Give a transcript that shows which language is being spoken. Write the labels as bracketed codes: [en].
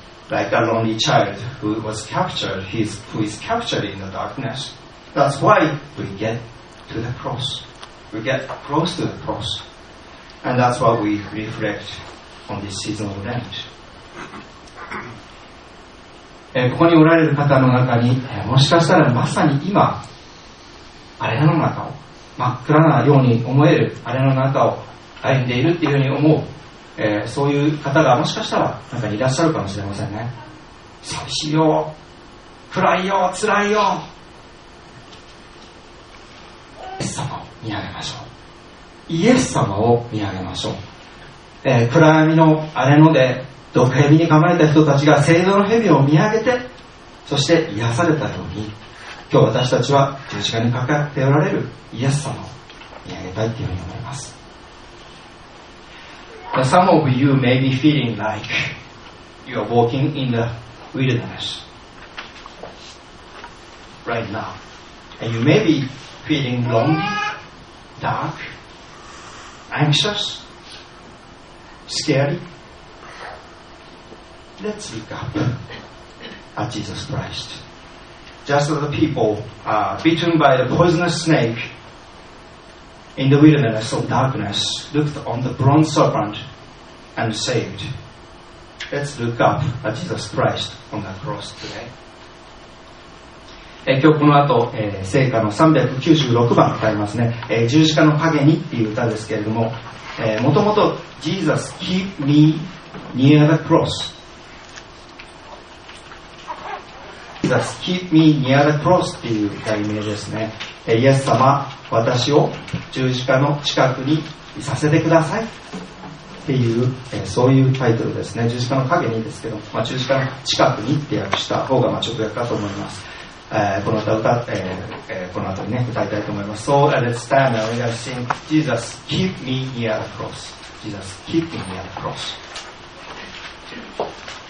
[en] Like a lonely child who is captured in the darkness. That's why we get close to the cross. And that's why we reflect on this season of Lent. [ja] ここにおられる方の中に、もしかしたらまさに今、あれの中を、真っ暗なように思える、あれの中を歩んでいるっていうふうに思う、そういう方がもしかしたらなんかいらっしゃるかもしれませんね。寂しいよ、暗いよ、辛いよ、イエス様を見上げましょう。イエス様を見上げましょう。暗闇の荒れ野で毒蛇に噛まれた人たちが聖堂の蛇を見上げて、そして癒されたように、今日私たちは十字架にかかっておられるイエス様を見上げたいというふうに思います。 [en] Some of you may be feeling like you are walking in the wilderness right now. And you may be feeling lonely, dark, anxious, scary. Let's look up at Jesus Christ. Just as the people are bitten by the poisonous snake in the wilderness of darkness, looked on the bronze serpentAnd saved. Let's look up at Jesus Christ on the cross today. [ja] 今日この後、聖歌の396番歌いますね。十字架の影にっていう歌ですけれども、もともと [en] Jesus keep me near the cross Jesus, keep me near the cross [ja] っていう題名ですね。イエス様、私を十字架の近くにいさせてくださいっていう、そういうタイトルですね。十字架の陰にですけど、まあ、十字架の近くにって訳した方が、まあ、直訳かと思います。この歌を歌この後に、ね、歌いたいと思います。 [en] So let's stand and we are singing Jesus, keep me near the cross. Jesus, keep me near the cross. Thank you.